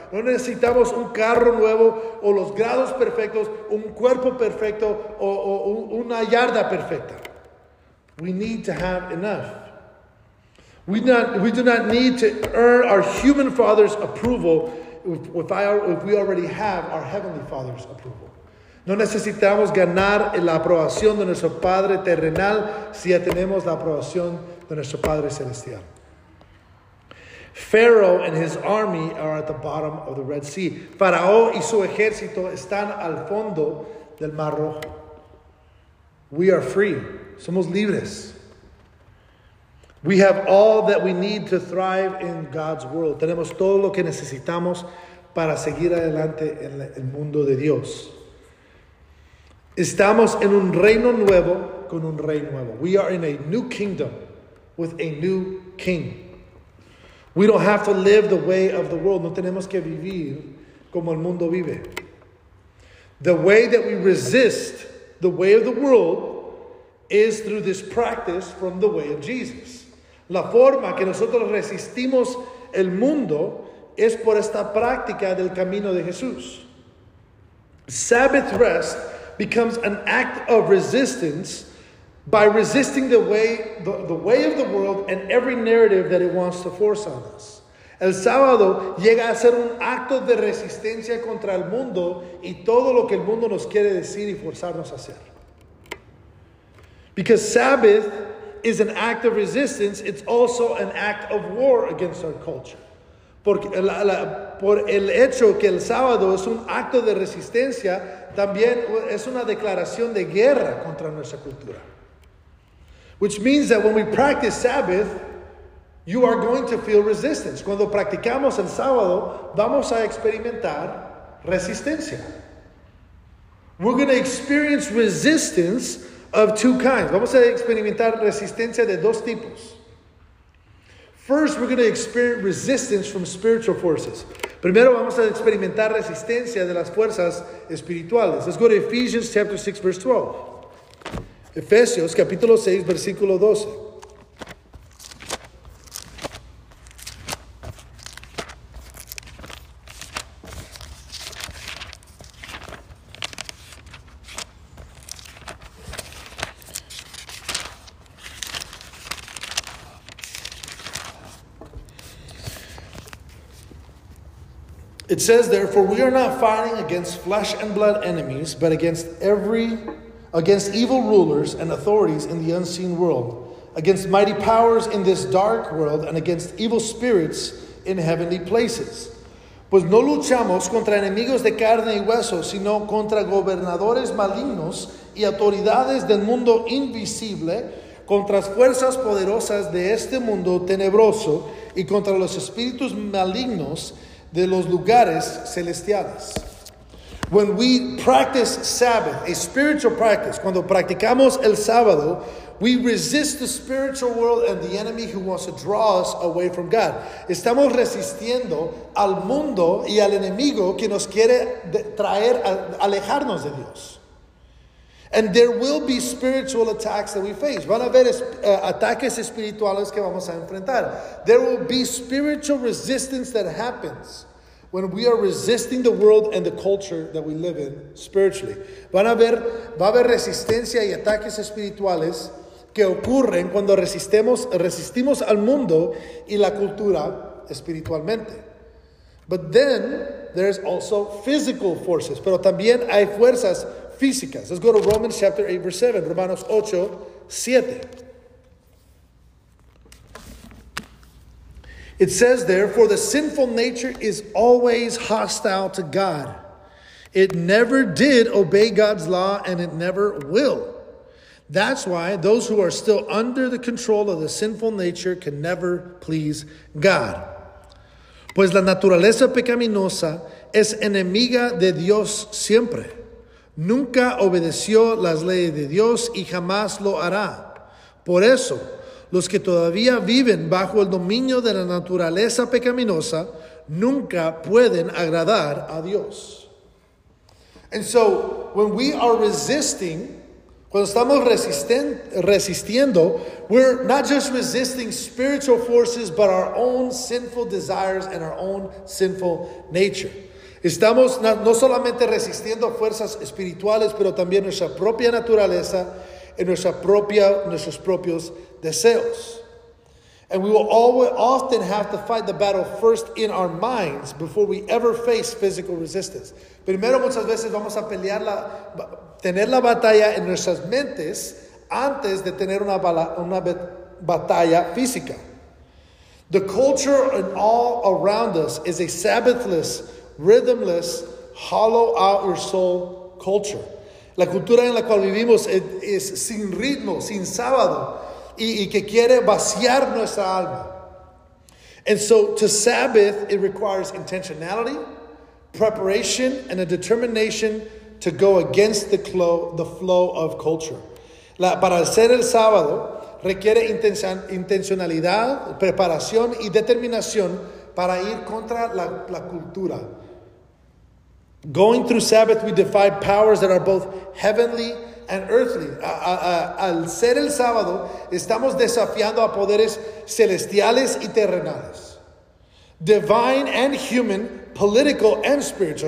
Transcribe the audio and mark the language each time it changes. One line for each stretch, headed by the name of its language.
Spanish: No necesitamos un carro nuevo o los grados perfectos, un cuerpo perfecto o una yarda perfecta.
English: We need to have enough. We do not need to earn our human father's approval if we already have our heavenly father's approval.
Spanish: No necesitamos ganar la aprobación de nuestro padre terrenal si ya tenemos la aprobación de nuestro padre celestial.
English: Pharaoh and his army are at the bottom of the Red Sea.
Spanish: Faraón y su ejército están al fondo del Mar Rojo.
English: We are free.
Spanish: Somos libres.
English: We have all that we need to thrive in God's world.
Spanish: Tenemos todo lo que necesitamos para seguir adelante en el mundo de Dios. Estamos en un reino nuevo con un rey nuevo.
English: We are in a new kingdom with a new king. We don't have to live the way of the world.
Spanish: No tenemos que vivir como el mundo vive.
English: The way that we resist the way of the world is through this practice from the way of Jesus.
Spanish: La forma que nosotros resistimos el mundo es por esta práctica del camino de Jesús.
English: Sabbath rest becomes an act of resistance by resisting the way of the world and every narrative that it wants to force on us.
Spanish: El sábado llega a ser un acto de resistencia contra el mundo y todo lo que el mundo nos quiere decir y forzarnos a hacer.
English: Because Sabbath is an act of resistance, it's also an act of war against our culture.
Spanish: Por el hecho que el sábado es un acto de resistencia, también es una declaración de guerra contra nuestra cultura.
English: Which means that when we practice Sabbath, you are going to feel resistance.
Spanish: Cuando practicamos el sábado, vamos a experimentar resistencia.
English: We're going to experience resistance of two kinds.
Spanish: Vamos a experimentar resistencia de dos tipos.
English: First, we're going to experience resistance from spiritual forces.
Spanish: Primero vamos a experimentar resistencia de las fuerzas espirituales.
English: Let's go to Ephesians chapter 6, verse 12.
Spanish: Efesios capítulo 6, versículo 12.
English: It says, therefore, we are not fighting against flesh and blood enemies, but against evil rulers and authorities in the unseen world, against mighty powers in this dark world, and against evil spirits in heavenly places.
Spanish: Pues no luchamos contra enemigos de carne y hueso, sino contra gobernadores malignos y autoridades del mundo invisible, contra fuerzas poderosas de este mundo tenebroso y contra los espíritus malignos de los lugares celestiales.
English: When we practice Sabbath, a spiritual practice,
Spanish: cuando practicamos el sábado,
English: we resist the spiritual world and the enemy who wants to draw us away from God.
Spanish: Estamos resistiendo al mundo y al enemigo que nos quiere traer, alejarnos de Dios.
English: And there will be spiritual attacks that we face.
Spanish: Van a haber ataques espirituales que vamos a enfrentar.
English: There will be spiritual resistance that happens When we are resisting the world and the culture that we live in spiritually,
Spanish: va a haber resistencia y ataques espirituales que ocurren cuando resistimos al mundo y la cultura espiritualmente.
English: But then there's also physical forces,
Spanish: pero también hay fuerzas físicas.
English: Let's go to Romans chapter 8 verse 7,
Spanish: Romanos 8, 7.
English: It says there, for the sinful nature is always hostile to God. It never did obey God's law, and it never will. That's why those who are still under the control of the sinful nature can never please God.
Spanish: Pues la naturaleza pecaminosa es enemiga de Dios siempre. Nunca obedeció las leyes de Dios y jamás lo hará. Por eso, los que todavía viven bajo el dominio de la naturaleza pecaminosa nunca pueden agradar a Dios.
English: And so, when we are resisting,
Spanish: cuando estamos resistiendo,
English: we're not just resisting spiritual forces, but our own sinful desires and our own sinful nature.
Spanish: Estamos no solamente resistiendo fuerzas espirituales, pero también nuestra propia naturaleza en nuestros propios deseos.
English: And we will always often have to fight the battle first in our minds before we ever face physical resistance.
Spanish: Primero muchas veces vamos a pelear tener la batalla en nuestras mentes antes de tener una batalla física.
English: The culture and all around us is a Sabbathless, rhythmless, hollow out your soul culture.
Spanish: La cultura en la cual vivimos es sin ritmo, sin sábado, y que quiere vaciar nuestra alma.
English: And so to Sabbath, it requires intentionality, preparation, and a determination to go against the flow of culture.
Spanish: Para hacer el sábado, requiere intencionalidad, preparación, y determinación para ir contra la cultura.
English: Going through Sabbath, we defy powers that are both heavenly and earthly.
Spanish: Al ser el sábado, estamos desafiando a poderes celestiales y terrenales.
English: Divine and human, political and spiritual.